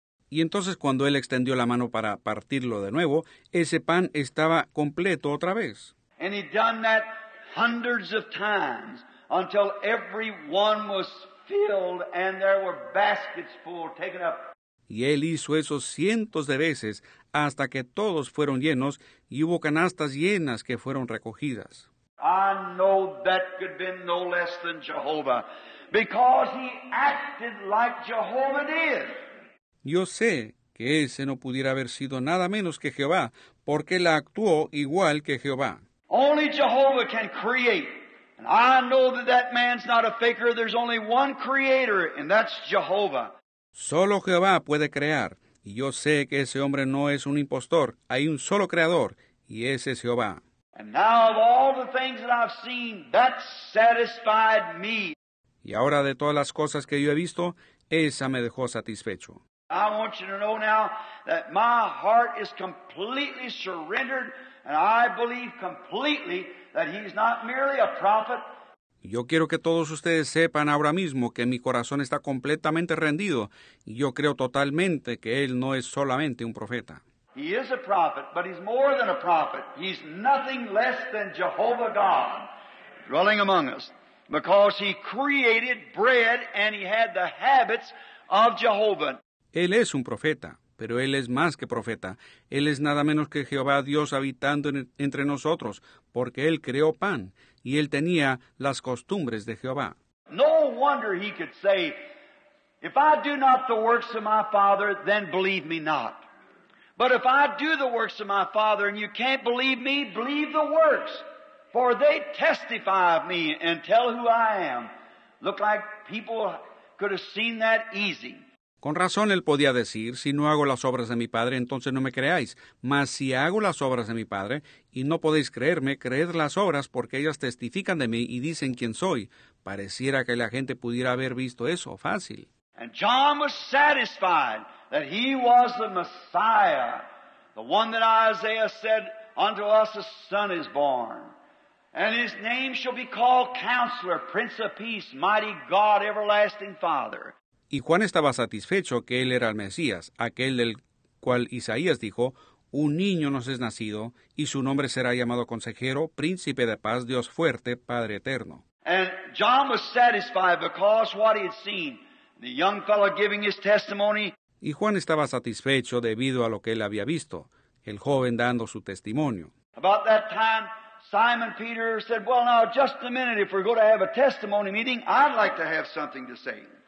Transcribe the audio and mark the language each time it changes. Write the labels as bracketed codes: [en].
[es] Y entonces cuando él extendió la mano para partirlo de nuevo, ese pan estaba completo otra vez. [en] And he'd done that hundreds of times until everyone was filled and there were baskets full taken up. [es] Y él hizo eso cientos de veces hasta que todos fueron llenos y hubo canastas llenas que fueron recogidas. [en] I know that could be no less than Jehovah, because he acted like Jehovah did. [es] Yo sé que ese no pudiera haber sido nada menos que Jehová, porque él actuó igual que Jehová. [en] Only Jehovah can create. And I know that that man's not a faker. There's only one creator, and that's Jehovah. [es] Solo Jehová puede crear. Y yo sé que ese hombre no es un impostor. Hay un solo creador, y ese es Jehová. [en] And now of all the things that I've seen, that satisfied me. [es] Y ahora de todas las cosas que yo he visto, esa me dejó satisfecho. [en] I want you to know now that my heart is completely surrendered, and I believe completely that he's not merely a prophet. [es] Yo quiero que todos ustedes sepan ahora mismo que mi corazón está completamente rendido. Yo creo totalmente que él no es solamente un profeta. [en] He is a prophet, but he's more than a prophet. He's nothing less than Jehovah God dwelling among us, because he created bread and he had the habits of Jehovah. [es] Él es un profeta, pero él es más que profeta. Él es nada menos que Jehová Dios habitando entre nosotros, porque él creó pan y él tenía las costumbres de Jehová. [en] No wonder he could say, if I do not the works of my Father, then believe me not. But if I do the works of my Father and you can't believe me, believe the works, for they testify of me and tell who I am. Look like people could have seen that easy. [es] Con razón él podía decir, si no hago las obras de mi Padre, entonces no me creáis. Mas si hago las obras de mi Padre, y no podéis creerme, creed las obras porque ellas testifican de mí y dicen quién soy. Pareciera que la gente pudiera haber visto eso fácil. [en] And John was satisfied that he was the Messiah, the one that Isaiah said, unto us a son is born. And his name shall be called Counselor, Prince of Peace, Mighty God, Everlasting Father. [es] Y Juan estaba satisfecho que él era el Mesías, aquel del cual Isaías dijo, un niño nos es nacido, y su nombre será llamado Consejero, Príncipe de Paz, Dios Fuerte, Padre Eterno. [en] And John was satisfied because what he had seen, the young fellow giving his testimony. [es] Y Juan estaba satisfecho debido a lo que él había visto, el joven dando su testimonio. [en] About that time, Simon Peter said, well, now, just a minute, if we're going to have a testimony meeting, I'd like to have something to say.